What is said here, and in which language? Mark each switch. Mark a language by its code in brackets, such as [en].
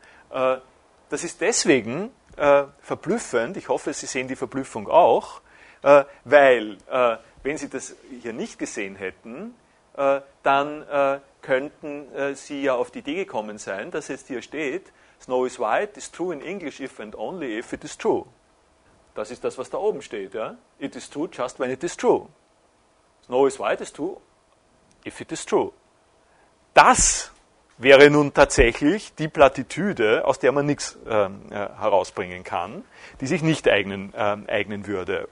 [de] Das ist deswegen verblüffend, ich hoffe, Sie sehen die Verblüffung auch, weil, wenn Sie das hier nicht gesehen hätten, dann könnten Sie ja auf die Idee gekommen sein, dass jetzt hier steht, [en] snow is white is true [de] in English if and only if it is true. Das ist das, was da oben steht. Ja? [en] It is true just when it is true. Snow is white is true, if it is true. [de] Das wäre nun tatsächlich die Plattitüde, aus der man nichts herausbringen kann, die sich nicht eignen würde.